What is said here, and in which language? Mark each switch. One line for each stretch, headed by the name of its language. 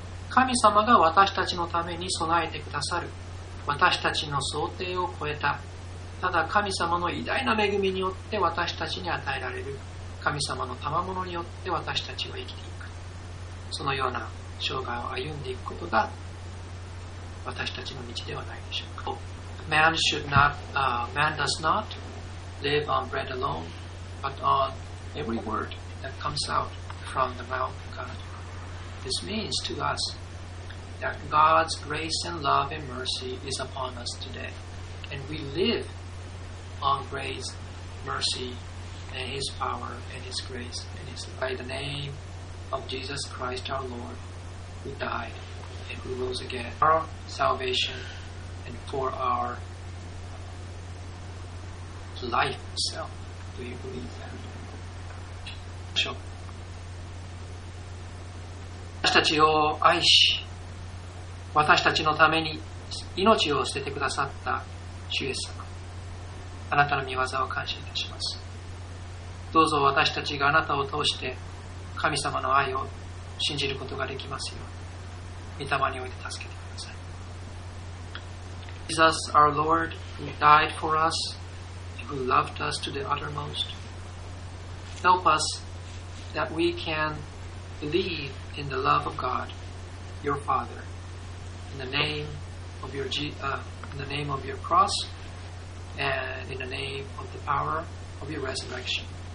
Japanese: 神様が私たちのために備えてくださる、私たちの想定を超えた、ただ神様の偉大な恵みによって私たちに与えられる神様の賜物によって私たちは生きていく、そのような生涯を歩んでいくことが私たちの道ではないでしょうか。
English: Man does not live on bread alone, but on every word that comes out from the mouth of God. This means to us that God's grace and love and mercy is upon us today. And we live on grace, mercy, and His power, and His grace, and His love. By the name of Jesus Christ our Lord, who died and who rose again, our salvation and for our life itself. Do you believe that? Sure.
Japanese: 私たちを愛し、私たちのために命を捨ててくださった主イエス様、あなたの御業を感謝いたします。どうぞ私たちがあなたを通して神様の愛を信じることができますように、御霊において助けてください。
English: Jesus our Lord who died for usWho loved us to the uttermost. Help us that we can believe in the love of God, your Father, in the name of your cross, and in the name of the power of your resurrection.